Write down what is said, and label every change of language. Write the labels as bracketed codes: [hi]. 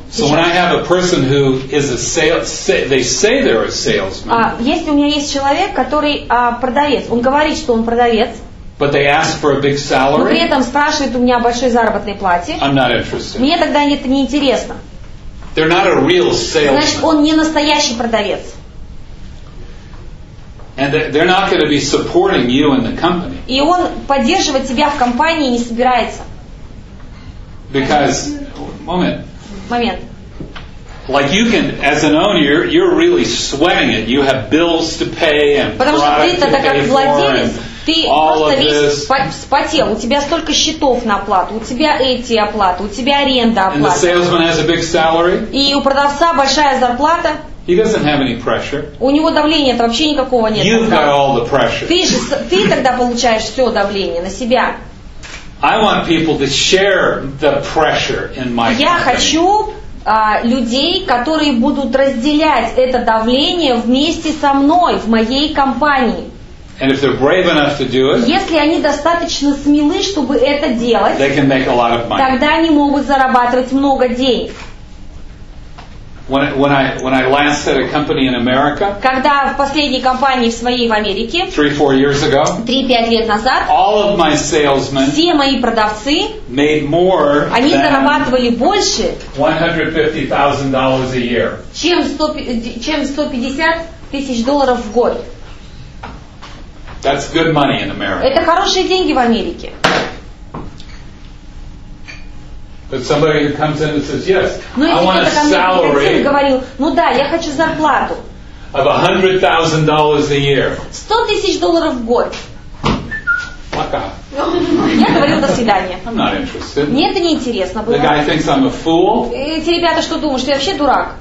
[en] So when I have a person who is a sales, they say they're a salesman. [ru] Если у меня есть человек, который продавец, он говорит, что он продавец. [en] But they ask for a big salary. [ru] Но при этом спрашивает у меня большой заработной плате. [en] I'm not interested. [ru] Мне тогда это не интересно. [en] They're not a real salesman. [ru] Значит, он не настоящий продавец. [en] And they're not going to be supporting you in the company. [ru] И он поддерживать тебя в компании не собирается. [en] Because moment. [ru] Момент. [en] Like you can, as an owner, you're really sweating it. You have bills to pay and product to pay for. [ru] Ты просто весь вспотел. У тебя столько счетов на оплату. У тебя эти оплаты. У тебя аренда оплата. [en] And the salesman has a big salary. [ru] И у продавца большая зарплата. [en] He doesn't have any pressure. [ru] У него давления-то вообще никакого нет. [en] You've got all the pressure. [ru] Ты тогда получаешь все давление на себя. [en] I want people to share the pressure in my company. [ru] Я хочу людей, которые будут разделять это давление вместе со мной в моей компании. [en] And if they're brave enough to do it, [ru] если они достаточно смелы, чтобы это делать, [en] they can make a lot of money. [ru] Тогда они могут зарабатывать много денег. [en] When I last had a company in America, [ru] когда в последней компании в своей в Америке, [en] 3-4 years ago, [ru] 3-5 лет назад, [en] all of my salesmen, [ru] все мои продавцы, [en] made more, [ru] они зарабатывали больше, [en] $150,000 a year, [ru] чем 150 тысяч долларов в год. [en] That's good money in America. [ru] Это хорошие деньги в Америке. [en] But somebody who comes in and says, "Yes, [ru] но [en] I want a salary." [ru] Говорил, ну да, я хочу зарплату. [en] Of $100,000 a year. [ru] 100 тысяч долларов в год. Пока. Я говорю до свидания. [en] I'm not interested. [ru] Мне это не интересно было. [en] The guy thinks I'm a fool. [ru] Эти ребята что думают, что я вообще дурак?